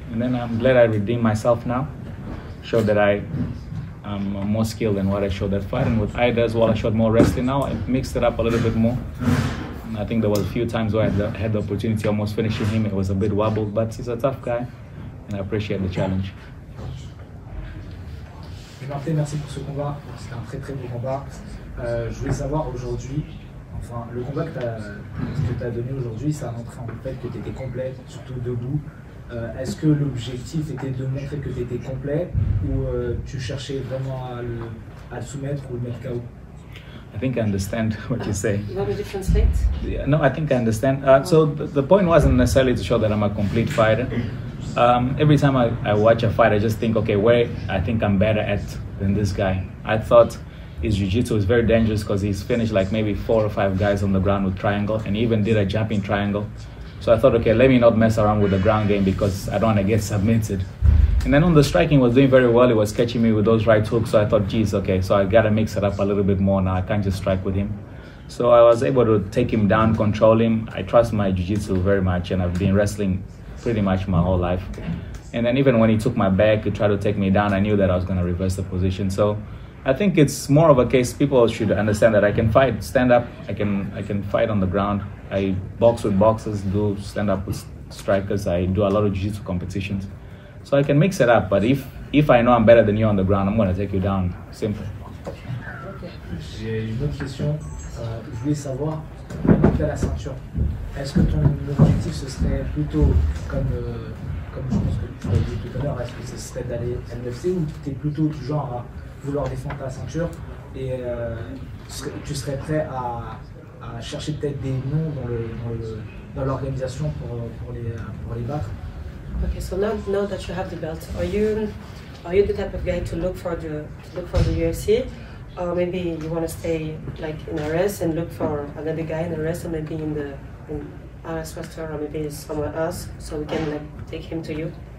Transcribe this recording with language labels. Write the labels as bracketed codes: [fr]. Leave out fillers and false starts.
[en] And then I'm glad I redeemed myself now. Showed that I'm more skilled than what I showed that fight. And with Ida as well, I showed more wrestling now. I mixed it up a little bit more. And I think there was a few times where I had the opportunity almost finishing him. It was a bit wobbled, but he's a tough guy. And I appreciate the challenge. [fr] Demarte, merci pour ce combat, c'était un très très beau combat. Je voulais savoir aujourd'hui, enfin le combat que tu as donné aujourd'hui, ça a montré en fait que tu étais complet, surtout debout. Est-ce que l'objectif était de montrer que tu étais complet, ou tu cherchais vraiment à le soumettre ou le mettre KO? [en] I think I understand what you say. You want me to translate? Yeah, no, I think I understand. So the point wasn't necessarily to show that I'm a complete fighter. Every time I watch a fight, I just think, okay, where I think I'm better at than this guy. I thought his jiu-jitsu is very dangerous because he's finished like maybe 4 or 5 guys on the ground with triangle, and he even did a jumping triangle. So I thought, okay, let me not mess around with the ground game because I don't want to get submitted. And then on the striking, was doing very well. He was catching me with those right hooks. So I thought, geez, okay, so I got to mix it up a little bit more now. I can't just strike with him. So I was able to take him down, control him. I trust my jiu-jitsu very much, and I've been wrestling pretty much my whole life. And then even when he took my back to try to take me down, I knew that I was going to reverse the position. So I think it's more of a case people should understand that I can fight stand up, I can fight on the ground. I box with boxers, do stand up with strikers. I do a lot of jiu-jitsu competitions. So I can mix it up, but if I know I'm better than you on the ground, I'm going to take you down. Simple. [fr] J'ai une autre question. Je voulais savoir, quand tu as la ceinture, est-ce que ton objectif ce serait plutôt comme je pense que tu l'as dit tout à l'heure, est-ce que ce serait d'aller à l'UFC, ou tu es plutôt du genre à vouloir défendre ta ceinture et tu serais prêt à chercher peut-être des noms dans l'organisation pour les battre? [en] Okay, so now that you have the belt, are you Are you the type of guy to look for the UFC, or maybe you want to stay like in RS and look for another guy in RS, or maybe in the RS Western, or maybe somewhere else, so we can like take him to you?